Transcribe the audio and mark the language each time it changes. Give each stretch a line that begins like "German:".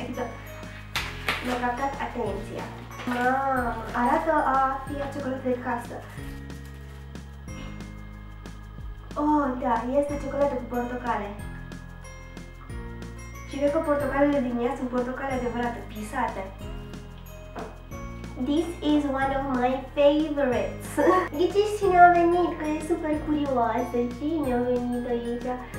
Romanian: Adică mi-a captat atenția. Mamă, arată a fi o ciocolată de casă. Oh, da, este ciocolată cu portocale. Și cred că portocalele din ea sunt portocale adevărate, pisate.
English: This is one of my favorites.
Romanian: Ghiciți cine a venit, că e super curioasă. Cine a venit aici?